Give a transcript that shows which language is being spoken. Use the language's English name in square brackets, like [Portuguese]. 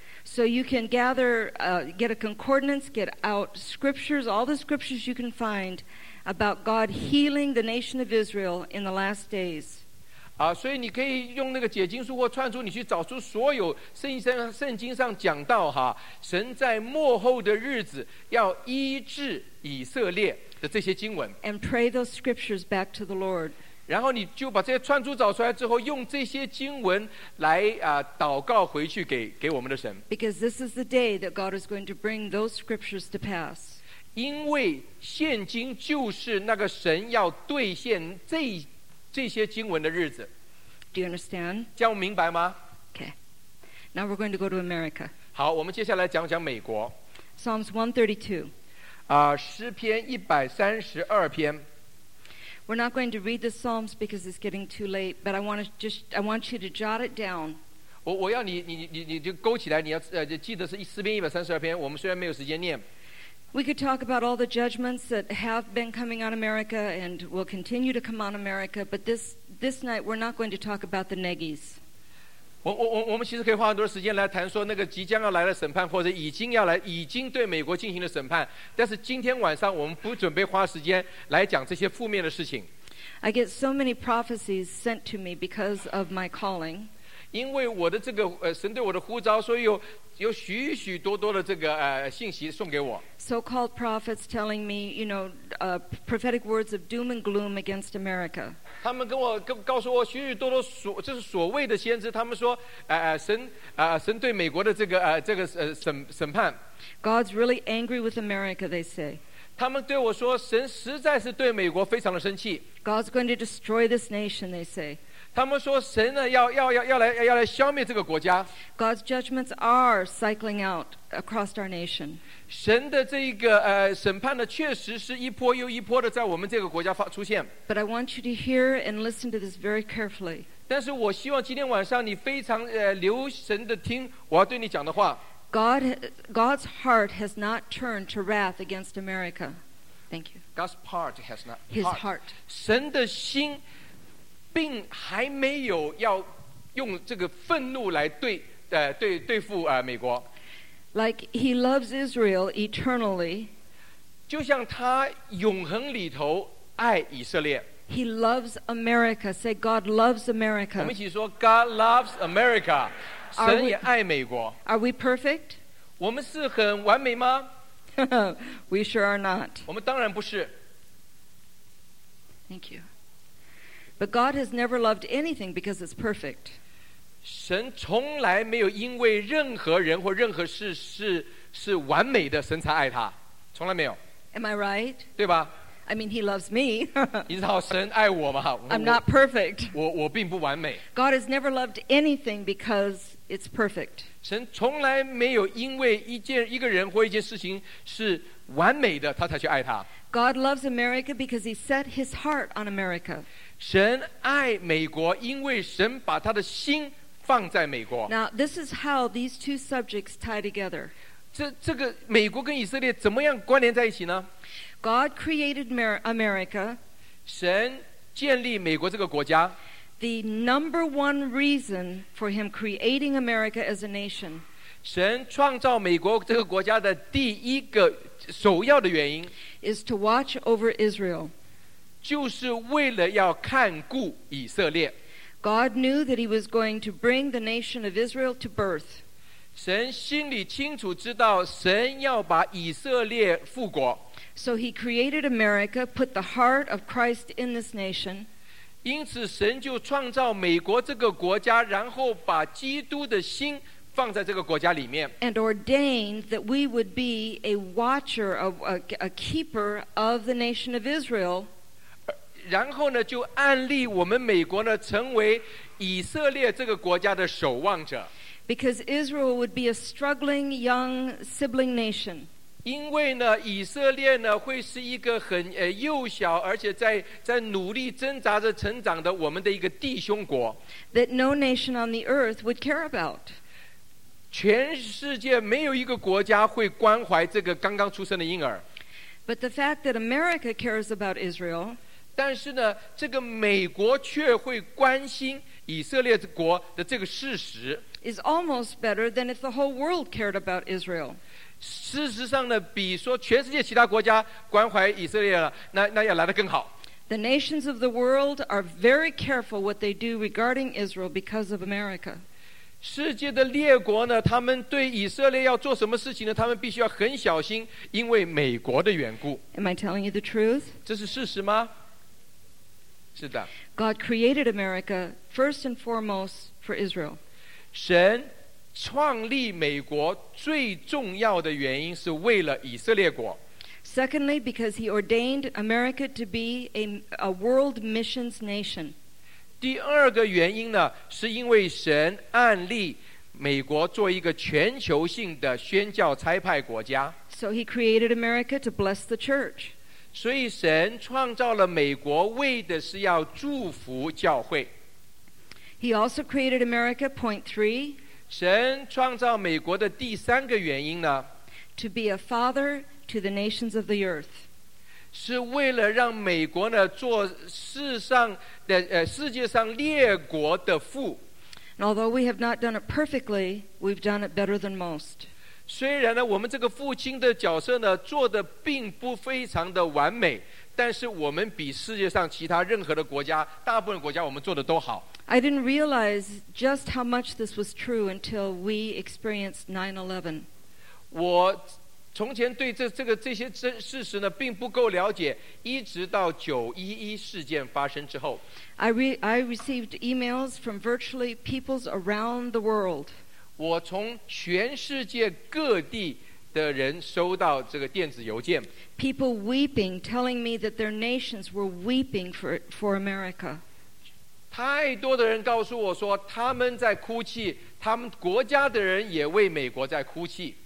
[English] So you can gather get a concordance get out scriptures all the scriptures you can find about God healing the nation of Israel in the last days [Chinese] 所以你可以用那个解经书或串书你去找出所有圣经上讲到哈神在末后的日子要医治以色列的这些经文 [English] And pray those scriptures back to the Lord [Chinese] 然后你就把这些串书找出来之后用这些经文来祷告回去给我们的神 [English] Because this is the day that God is going to bring those scriptures to pass [Chinese] 因为现今就是那个神要兑现这些经文的日子 [English] Do you understand? [Chinese] 这样明白吗 [English] Okay Now we're going to go to America [Chinese] 好我们接下来讲美国 [English] Psalms 132 [Chinese] 诗篇132篇 [English] We're not going to read the Psalms because it's getting too late But I want you to jot it down [Chinese] 我要你就勾起来你要记得是诗篇132篇我们虽然没有时间念 [English] We could talk about all the judgments that have been coming on America and will continue to come on America, but this night we're not going to talk about the Negis. [Chinese] 我们其实可以花很多时间来谈说那个即将要来的审判或者已经对美国进行了审判，但是今天晚上我们不准备花时间来讲这些负面的事情。 [English] I get so many prophecies sent to me because of my calling. [Chinese] 因为我的这个神对我的呼召，所以有许许多多的这个信息送给我。 [English] So-called prophets telling me, you know, prophetic words of doom and gloom against America. [Chinese] 他们跟我告诉我许许多多就是所谓的先知，他们说，神对美国的这个审判。 [English] God's really angry with America, they say. [Chinese] 他们对我说，神实在是对美国非常的生气。 [English] God's going to destroy this nation, they say. [Chinese] 他们说神呢要来消灭这个国家。 [English] God's judgments are cycling out across our nation. [Chinese] 神的这个审判呢，确实是一波又一波的在我们这个国家出现。 [English] But I want you to hear and listen to this very carefully. [Chinese] 但是我希望今天晚上你非常留神的听我要对你讲的话。 [English] God's heart has not turned to wrath against America. Thank you. God's heart has not. His heart. [Chinese] 神的心并还没有要用这个愤怒来对付美国。 [English] Like he loves Israel eternally. [Chinese] 就像他永恒里头爱以色列。 [English] He loves America. Say God loves America. [Chinese] 我们一起说 [English] God loves America. [Chinese] 神也爱美国。 [English] Are we perfect? [Chinese] 我们是很完美吗？ [English] We sure are not. [Chinese] 我们当然不是。 [English] Thank you. But God has never loved anything because it's perfect. [Chinese] 神从来没有因为任何人或任何事是完美的，神才爱他，从来没有。 [English] Am I right? [Chinese] 对吧 [English] ？I mean, He loves me. [Chinese] 你知道神爱我吗 [English] ？I'm not perfect. [Chinese] 我并不完美。 [English] God has never loved anything because it's perfect. [Chinese] 神从来没有因为一个人或一件事情是完美的，他才去爱他。 [English] God loves America because He set His heart on America. [Chinese] 神爱美国，因为神把他的心放在美国。 [English] Now this is how these two subjects tie together. [Chinese] 这个美国跟以色列怎么样关联在一起呢 [English] ？God created America. [Chinese] 神建立美国这个国家。 [English] The number one reason for Him creating America as a nation. [Chinese] 神创造美国这个国家的第一个首要的原因 [English] is to watch over Israel. [Chinese] 就是为了要看顾以色列。 [English] God knew that He was going to bring the nation of Israel to birth. [Chinese] 神心里清楚知道神要把以色列复国。 [English] So He created America, put the heart of Christ in this nation. [Chinese] 因此神就创造美国这个国家，然后把基督的心放在这个国家里面。 [English] And ordained that we would be a watcher, a keeper of the nation of Israel. [Chinese] 然后呢，就按立我们美国呢，成为以色列这个国家的守望者。 [English] Because Israel would be a struggling young sibling nation. [Chinese] 因为呢，以色列呢会是一个很幼小，而且在努力挣扎着成长的我们的一个弟兄国。 [English] That no nation on the earth would care about. [Chinese] 全世界没有一个国家会关怀这个刚刚出生的婴儿。 [English] But the fact that America cares about Israel. [Chinese] 但是呢，这个美国却会关心以色列国的这个事实 [English] is almost better than if the whole world cared about Israel. [Chinese] 事实上呢，比说全世界其他国家关怀以色列那要来得更好。 [English] The nations of the world are very careful what they do regarding Israel because of America. [Chinese] 世界的列国呢，他们对以色列要做什么事情呢？他们必须要很小心，因为美国的缘故。 [English] Am I telling you the truth? [Chinese] 这是事实吗？是的。 [English] God created America first and foremost for Israel. [Chinese] 神创立美国最重要的原因是为了以色列国。 [English] Secondly, because He ordained America to be a world missions nation. [Chinese] 第二个原因呢，是因为神按立美国做一个全球性的宣教差派国家。 [English] So He created America to bless the church. [Chinese] 所以神创造了美国为的是要祝福教会。 [English] He also created America, point three. [Chinese] 神创造美国的第三个原因呢 [English] To be a father to the nations of the earth. [Chinese] 是为了让美国呢做世界上列国的父。 [English] And although we have not done it perfectly, we've done it better than most. [Chinese] 虽然呢，我们这个父亲的角色呢做的并不非常的完美，但是我们比世界上其他任何的国家，大部分国家我们做的都好。 [English] I didn't realize just how much this was true until we experienced 9/11. [Chinese] 我从前对这些事实呢并不够了解，一直到9/11事件发生之后。 [English] I received emails from virtually peoples around the world. [Chinese] 我从全世界各地的人收到这个电子邮件。 [English] People weeping, telling me that their nations were weeping for America. [Chinese] 太多的人告诉我说他们在哭泣，他们国家的人也为美国在哭泣。